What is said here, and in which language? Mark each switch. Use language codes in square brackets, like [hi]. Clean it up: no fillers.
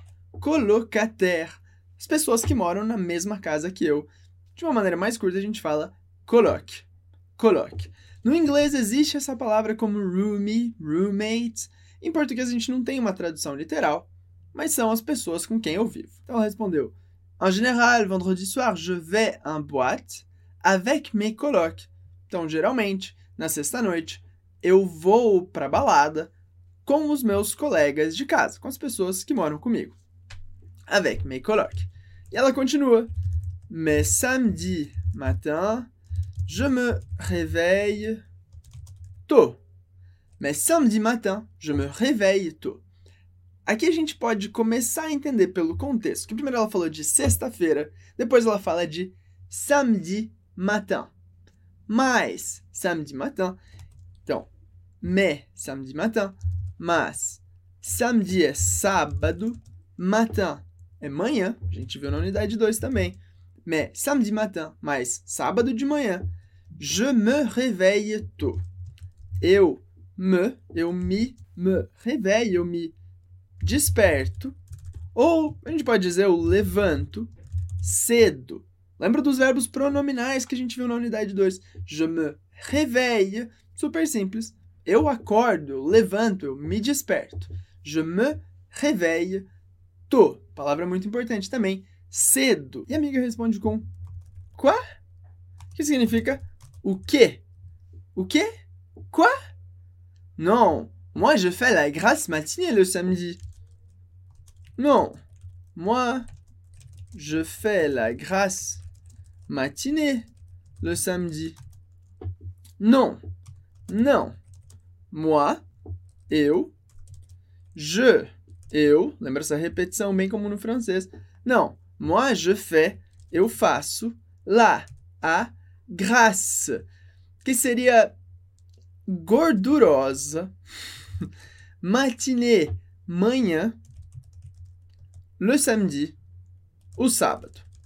[pt] Colocataire. As pessoas que moram na mesma casa que eu. De uma maneira mais curta, a gente fala coloque. Coloque. No inglês existe essa palavra como roomie, roommate. Em português a gente não tem uma tradução literal, mas são as pessoas com quem eu vivo. Então ela respondeu: [fr] en général, vendredi soir, je vais en boîte avec mes colocs. [pt] Então geralmente, na sexta-noite, eu vou pra balada com os meus colegas de casa, com as pessoas que moram comigo. [fr] Avec mes colocs. [pt] E ela continua: [fr] mais samedi matin, je me réveille tôt. Mais samedi matin, je me réveille tôt. [pt] Aqui a gente pode começar a entender pelo contexto, que primeiro ela falou de sexta-feira, depois ela fala de samedi matin. [fr] Mais samedi matin. Então, mais samedi matin. [pt] Mas, samedi é sábado, matin é manhã, a gente viu na unidade 2 também. [fr] Mais samedi matin, [pt] mais sábado de manhã. [fr] Je me réveille tôt. [pt] Eu me réveille, eu me desperto, ou a gente pode dizer eu levanto cedo. Lembra dos verbos pronominais que a gente viu na unidade 2? [fr] Je me réveille, [pt] super simples. Eu acordo, eu levanto, eu me desperto. [fr] Je me réveille tôt, [pt] palavra muito importante também, cedo. E a amiga responde com quoi? Que significa o quê? O quê? Quoi? [fr] Non, moi je fais la grasse matinée le samedi. Non, moi je fais la grasse matinée le samedi. [pt] Non, non, moi, eu, je, eu, lembra essa repetição bem comum no francês. Não, moi je fais, eu faço, la, a, grasse, que seria gordurosa, matinée, manhã, le samedi, o sábado.